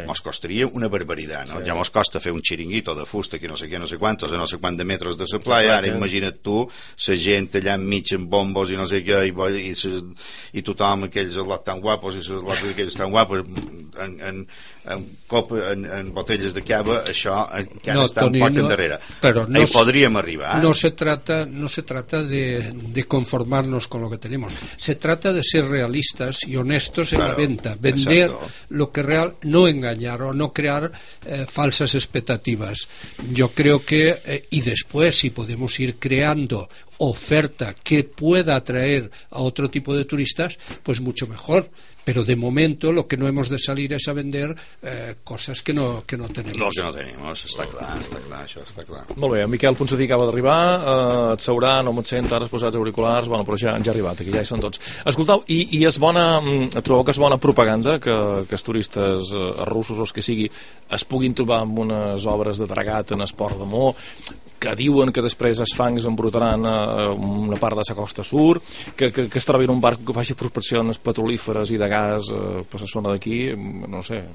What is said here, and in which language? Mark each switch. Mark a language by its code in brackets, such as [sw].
[ca] Mos costaria una barbaritat, no? Sí. Ja mos costa fer un xiringuito de fusta que no sé què, no sé quantos, no sé quant de metres de la playa. Ara imagina't tu la gent allà enmig amb bombos i no sé què i tothom aquells tan guapos i les lots aquells tan guapos en botelles de cava, això que no, està Toni, un poc no, endarrere. Però no, hi podríem arribar. [es] No se trata, de conformarnos con lo que tenemos. Se trata de ser realistas y honestos, claro, en la venta. Vender, exacto, lo que real, no engañar o no crear falsas expectativas. Yo creo que, y después, si podemos ir creando oferta que pueda atraer a otro tipo de turistas, pues mucho mejor. Pero de momento lo que no hemos de salir es a vender cosas que no tenemos. No, que no tenemos, está claro, això està clar. [ca] Molt bé, en Miquel Ponsatí acaba d'arribar, et seurà, no me'n sent, ara has posat auriculars, bueno, però ja ha arribat, aquí ja hi són tots. Escoltau, i és bona, trobeu que és bona propaganda que els turistes russos o els que sigui es puguin trobar amb unes obres de dragat en esport d'amor, que diuen que després els fangs embrutaran una part de la costa sur, que es trobi en un barc que faci prospeccions petrolíferes i de gas per la zona d'aquí, no sé.